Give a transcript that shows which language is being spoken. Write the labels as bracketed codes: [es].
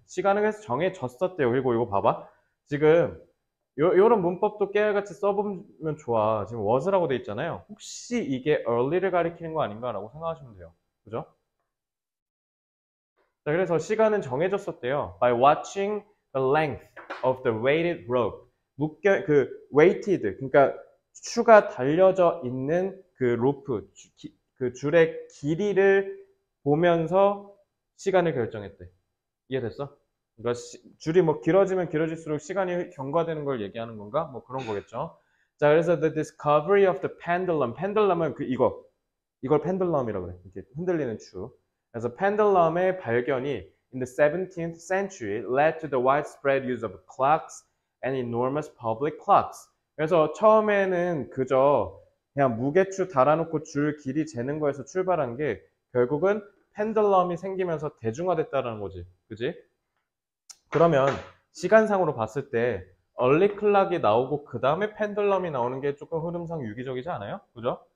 [ko] 시간은 그래서 정해졌었대요. 그리고 이거 봐봐. 지금 요런 문법도 깨알같이 써보면 좋아. 지금 was라고 돼 있잖아요. 혹시 이게 early를 가리키는 거 아닌가라고 생각하시면 돼요. 그죠? 자, 그래서 시간은 정해졌었대요. [en] By watching the length of the weighted rope. [ko] 묶여 그 weighted. 그러니까 추가 달려져 있는 그 로프, 그 줄의 길이를 보면서 시간을 결정했대. 이해됐어? 그러니까 줄이 뭐 길어지면 길어질수록 시간이 경과되는 걸 얘기하는 건가? 뭐 그런 거겠죠. 자, 그래서 [en] the discovery of the pendulum. [ko] pendulum은 그 이거. 이걸 펜들럼이라고 그래. 이렇게 흔들리는 추. 그래서 펜들럼의 발견이 [en] in the 17th century led to the widespread use of clocks and enormous public clocks. [ko] 그래서 처음에는 그저 그냥 무게추 달아놓고 줄 길이 재는 거에서 출발한 게 결국은 펜들럼이 생기면서 대중화됐다는 거지. 그지? 그러면 시간상으로 봤을 때 얼리 클락이 나오고 그 다음에 펜들럼이 나오는 게 조금 흐름상 유기적이지 않아요? 그죠?